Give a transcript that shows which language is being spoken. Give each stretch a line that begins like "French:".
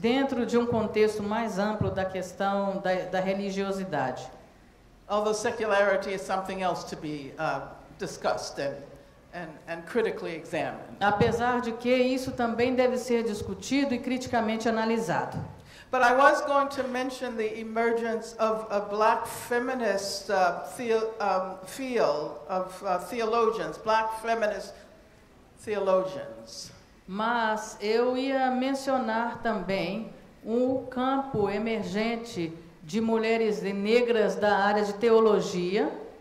Portuguese: Dentro de um contexto mais amplo da questão da religiosidade.
English: Although secularity is something else to be discussed and critically examined.
Portuguese: Apesar de que isso também deve ser discutido e criticamente analisado.
English: But I was going to mention the emergence of a black feminist field of theologians, black feminist theologians.
Portuguese: Mas eu ia mencionar também um campo emergente de mulheres negras da área de teologia.